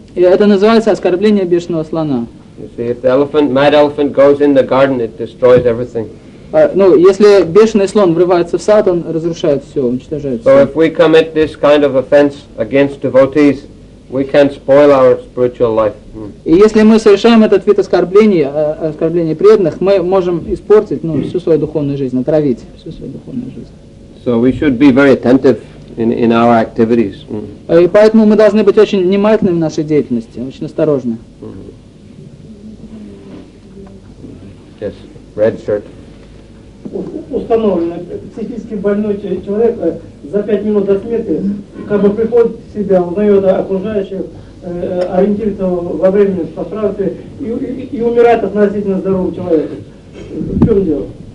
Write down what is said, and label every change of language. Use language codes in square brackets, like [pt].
[ru] И это называется оскорбление бешеного слона. [en] You see, if the elephant, mad elephant, goes in the garden, it destroys everything. [ru] Ну, если бешеный слон врывается в сад, он разрушает все, уничтожает все. [en] So if we commit this kind of offense against devotees, we can spoil our spiritual life. [ru] И если мы совершаем этот вид оскорблений, оскорбления преданных, мы можем испортить, ну, всю свою духовную жизнь, отравить всю свою духовную жизнь. [en] So we should be very attentive in our activities. [ru] И поэтому мы должны быть очень внимательными в нашей деятельности, очень осторожны. [en] Yes, red shirt. [ru] Установлено, психически больной человек за 5 минут до смерти как бы приходит в себя, узнает окружающих, ориентируется во времени по правде и умирает относительно здорового человека. В чем дело?